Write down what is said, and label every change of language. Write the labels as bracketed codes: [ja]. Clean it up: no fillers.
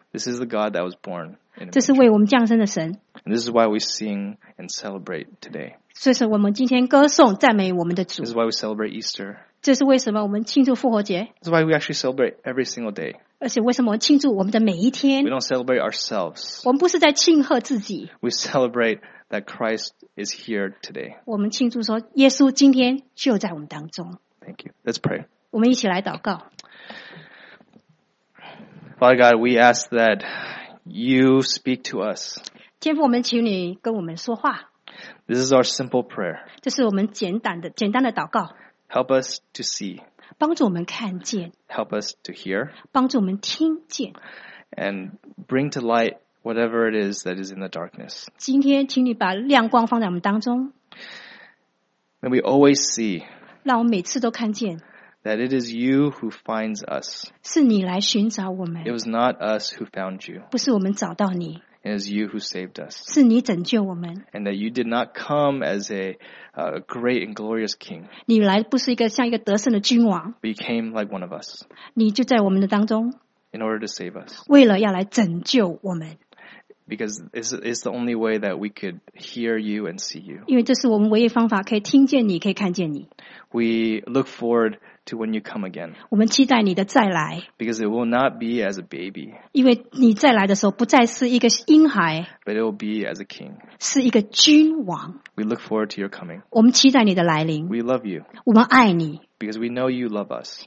[en] This is the God that was born. [zh] 这是为我们降生的神。 [en] And this is why we sing and celebrate today. [zh] 所以说我们今天歌颂赞美我们的主。 [en] This is why we celebrate Easter. [zh] 这是为什么我们庆祝复活节 [en] ？That's why we actually celebrate every single day. [zh] 而且为什么庆祝我们的每一天 [en] ？We don't celebrate ourselves. [zh] 我们不是在庆贺自己。 [en] We celebrate that Christ is here today. [zh] 我们庆祝说耶稣今天就在我们当中。 [en] Thank you. Let's pray. [zh] 我们一起来祷告。 [en] Father God, we ask that you speak to us. [zh] 天父，我们请你跟我们说话。 [en] This is our simple prayer. [zh] 这是我们简单的祷告。 [en] Help us to see. [zh] 帮助我们看见。 [en] Help us to hear. [zh] 帮助我们听见。 [en] And bring to light whatever it is that is in the darkness. [zh] 今天，请你把亮光放在我们当中。 [en] May we always see. [zh] 让我每次都看见。 [en] That it is you who finds us. [zh] 是你来寻找我们。 [en] It was not us who found you. [zh] 不是我们找到你。 [en] It is you who saved us. [zh] 是你拯救我们。 [en] And that you did not come as a great and glorious king. [zh] 你来不是一个像一个得胜的君王。 [en] But you came like one of us. [zh] 你就在我们的当中。 [en] In order to save us. [zh] 为了要来拯救我们。 [en] Because it's the only way that we could hear you and see you. [zh] 因为这是我们唯一方法，可以听见你，可以看见你。 [en] We look forward to when you come again. [zh] 我们期待你的再来。 [en] Because it will not be as a baby. [zh] 因为你再来的时候不再是一个婴孩。 [en] But it will be as a king. [zh] 是一个君王。 [en] We look forward to your coming. [zh] 我们期待你的来临。 [en] We love you. [zh] 我们爱你。 [en] Because we know you love us.